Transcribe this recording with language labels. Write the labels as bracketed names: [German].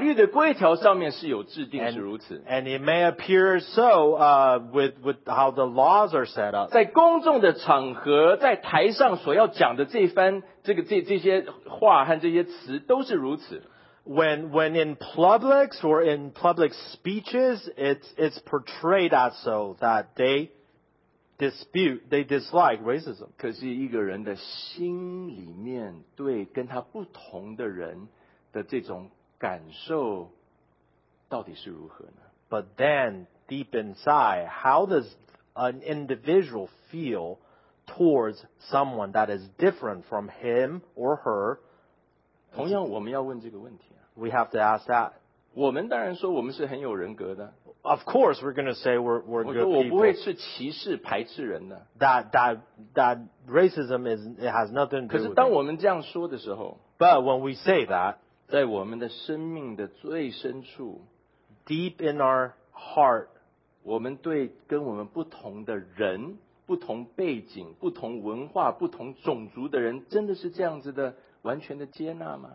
[Chinese] 这个法律的规条上面是有制定是如此。 [English] And it may appear so with how the laws are set up. [Chinese] 在公众的场合,在台上所要讲的这番这个这些话和这些词都是如此。 [English] when in publics or in public speeches, it's portrayed as so that they dispute, they dislike racism. [Chinese] 可是一个人的心里面对跟他不同的人的这种感受到底是如何呢？ [English] But then, deep inside, how does an individual feel towards someone that is different from him or her? [Chinese] 同样我们要问这个问题啊。 [English] We have to ask that. [Chinese] 我们当然说我们是很有人格的。 [English] Of course, we're going to say we're good people. [Chinese] 我不会是歧视排斥人的。 [English] That racism is, it has nothing to do with it. [Chinese] 可是当我们这样说的时候。 [English] But when we say that, [Chinese] 在我们的生命的最深处。 [English] Deep in our heart, [Chinese] 我们对跟我们不同的人不同背景不同文化不同种族的人真的是这样子的完全的接纳吗？